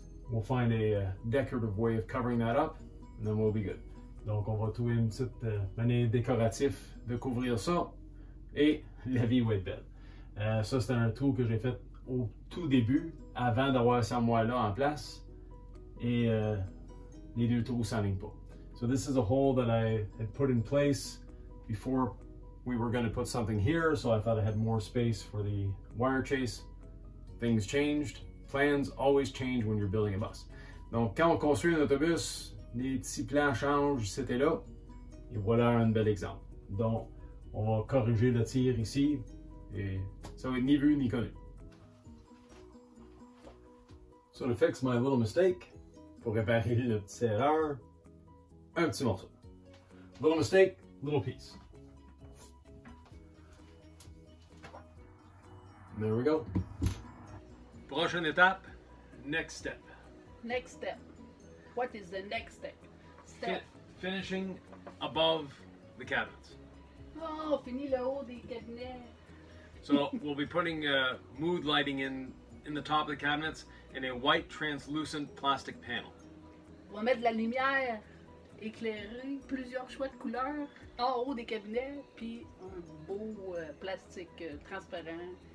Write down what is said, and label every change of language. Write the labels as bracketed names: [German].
[English] We'll find a decorative way of covering that up, and then we'll be good. [French] Donc on va trouver une petite manière décorative de couvrir ça, et la vie va être belle. Ça, c'était un trou que j'ai fait au tout début, avant d'avoir cet armoire-là en place, et les deux trous s'alignent pas. [English] So this is a hole that I had put in place before we were going to put something here, so I thought I had more space for the wire chase. Things changed. Plans always change when you're building a bus. [French] Donc, quand on construit un autobus, les petits plans changent, c'était là. Et voilà un bel exemple. Donc, on va corriger le tir ici. Et ça va être ni vu ni connu. [English] So, to fix my little mistake, [French] pour réparer la petite erreur, un petit morceau. [English] Little mistake, little piece. There we go. [French] Prochaine étape, [English] next step. Next step. What is the next step? Finishing above the cabinets. [French] Oh, fini le haut des cabinets. [English] So we'll be putting mood lighting in the top of the cabinets in a white translucent plastic panel. [French] On va mettre de la lumière éclairée, plusieurs choix de couleurs en haut des cabinets, puis un beau plastique transparent.